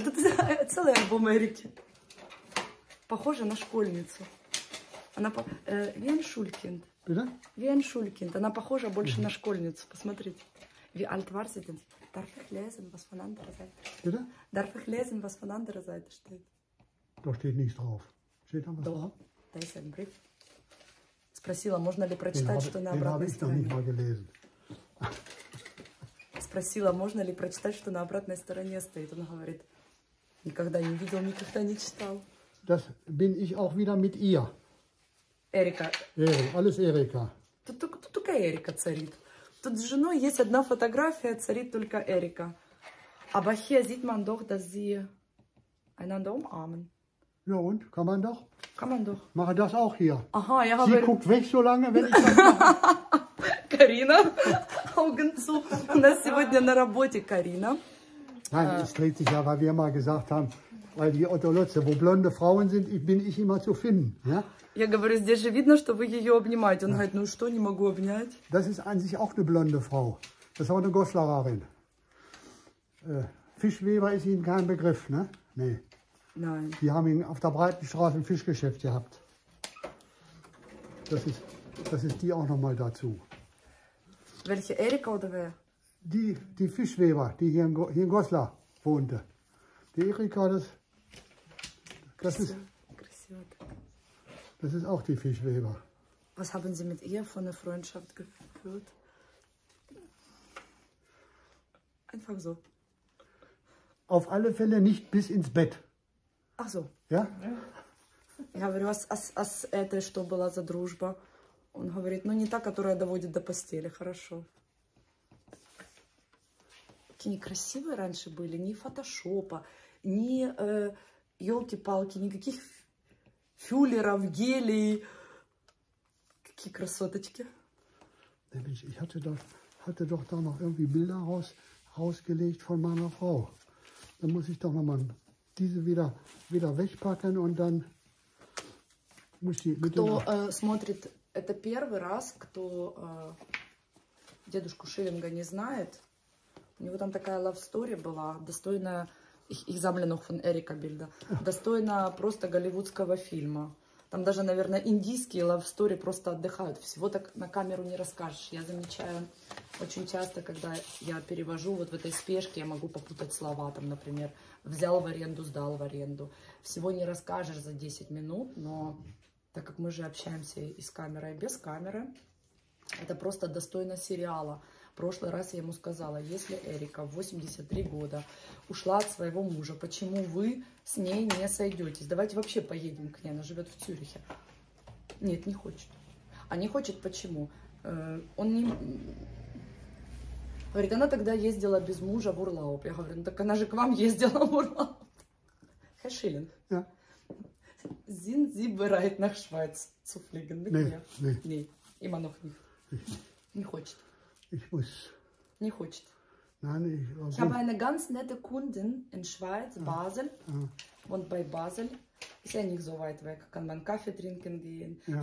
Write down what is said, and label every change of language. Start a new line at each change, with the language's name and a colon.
German: Das ist
Russian: целый альбом Эрики. Похожа на школьницу. Она по...
German: Wie ein Schulkind. Bitte? Wie ein Schulkind.
Russian: Она похожа больше на школьницу. Посмотрите.
German: Wie alt war sie denn? Darf ich lesen, was von anderer Seite steht? Bitte? Darf ich lesen, was von anderer Seite steht? Da steht nichts drauf. Steht da was Doch. Drauf? Da ist ein Brief.
Russian: Спросила, можно ли прочитать, что на обратной стороне?
German: Den habe ich noch nicht mal gelesen.
Russian: Спросила, можно ли прочитать, что на обратной стороне стоит? Он говорит, никогда не видел, никогда не читал.
German: Das bin ich auch wieder mit ihr. Erika. Alles Erika.
Russian: Тут только Erika царит. Тут с женой есть одна фотография, царит только Эрика.
German: Aber hier sieht man doch, dass sie einander umarmen. Ja und? Kann man doch? Kann man doch. Mache das auch hier. Aha, ja, sie aber... guckt weg so lange, wenn ich das mache. Carina, Augen zu.
Russian: У нас сегодня на работе Carina.
German: Nein, es dreht sich ja, weil wir mal gesagt haben, weil die Otto Lotze, wo blonde Frauen sind, bin ich immer zu finden, ja?
Russian: Я говорю, здесь же видно, что вы ее обнимаете. Он говорит, ну что, не могу обнять.
German: Das ist an sich auch eine blonde Frau. Das ist auch eine Goslarerin. Fischweber ist Ihnen kein Begriff, ne? Nee. Nein. Die haben ihn auf der Breitenstraße ein Fischgeschäft gehabt. Das ist die auch nochmal dazu. Welche, Erika oder wer? Die Fischweber, die hier in Goslar wohnte. Die Erika, das ist... Interessiert. Das ist auch die Fischweber. Was haben Sie mit ihr von der Freundschaft geführt? Einfach so. Auf alle Fälle nicht bis ins Bett. Ach so. Ja? Ich habe was als
Russian: это что была за дружба. Он говорит, ну не та, которая доводит до постели, хорошо. Какие некрасивые раньше были, ни фотошопа, ни ёлки-палки, никаких Фюллеров, гелий. Какие красоточки.
German: Да, Mensch, ich hatte doch da noch irgendwie Bilder rausgelegt von meiner Frau. Dann muss ich doch nochmal diese wieder wegpacken und dann muss ich...
Russian: Кто смотрит, это первый раз, кто дедушку Шиллинга не знает. У него там такая love story была, достойная... Их замленных фон Эрика Бильда. Достойно просто голливудского фильма. Там даже, наверное, индийские лавстори просто отдыхают. Всего так на камеру не расскажешь. Я замечаю очень часто, когда я перевожу вот в этой спешке, я могу попутать слова. Там, например, взял в аренду, сдал в аренду. Всего не расскажешь за 10 минут, но так как мы же общаемся и с камерой, и без камеры, это просто достойно сериала. В прошлый раз я ему сказала, если Эрика в 83 года ушла от своего мужа, почему вы с ней не сойдетесь? Давайте вообще поедем к ней, она живет в Цюрихе. Нет, не хочет. А не хочет почему? Он не... Говорит, она тогда ездила без мужа в Урлауп. Я говорю, ну так она же к вам ездила в Урлауп.
German: Herr Schilling. Sind Sie bereit nach Schweiz zu fliegen? Nee. Immer noch nicht.
Russian: Не хочет.
German: Ich muss.
Russian: Не хочет.
German: Nein, ich habe eine ganz nette Kundin in Schweiz, Basel. Ja. Und bei Basel ist ja nicht so weit weg. Kann man Kaffee trinken gehen. Ja.